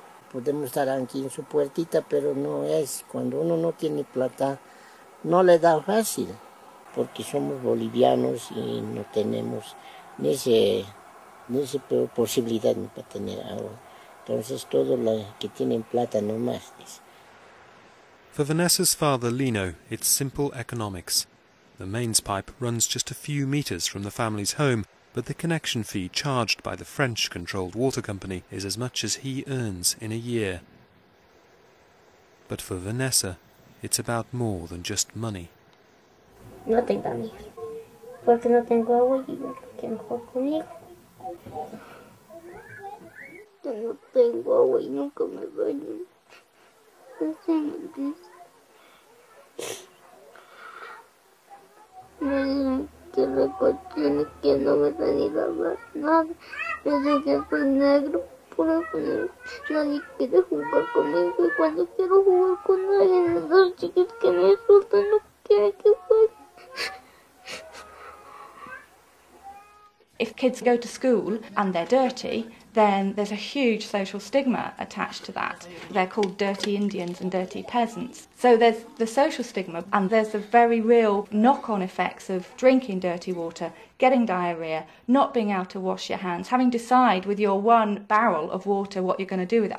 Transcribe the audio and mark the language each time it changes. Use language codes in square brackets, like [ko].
[es] Podemos estar aquí en su puertita, pero no es. Cuando uno no tiene plata, no le da fácil, porque somos bolivianos y no tenemos ni esa posibilidad para tener agua. Entonces, todos los que tienen plata no más. [en] For Vanessa's father, Lino, it's simple economics. The mains pipe runs just a few meters from the family's home, but the connection fee charged by the French-controlled water company is as much as he earns in a year. But for Vanessa, it's about more than just money. [es] No tengo amigos, porque no tengo agua y que mejor conmigo. No tengo agua y nunca me baño. No sé, no sé. Me dicen que la cuestión es que no me da ni lavar nada. Me dicen que soy negro, puro negro. Nadie quiere jugar conmigo y cuando quiero jugar con alguien, esos chicos que me insultan no quieren que juegue. [en] If kids go to school and they're dirty, then there's a huge social stigma attached to that. They're called dirty Indians and dirty peasants. So there's the social stigma, and there's the very real knock-on effects of drinking dirty water, getting diarrhea, not being able to wash your hands, having to decide with your one barrel of water what you're going to do with it.